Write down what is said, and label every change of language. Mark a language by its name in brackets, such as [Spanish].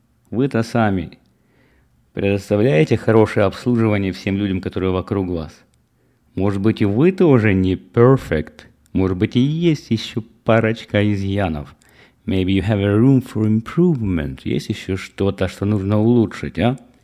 [Russian] Вы-то сами предоставляете хорошее обслуживание всем людям, которые вокруг вас. Может быть, и вы тоже не perfect. Может быть, и есть еще парочка изъянов. [English] Maybe you have a room for improvement. [Russian] Есть еще что-то, что нужно улучшить, а?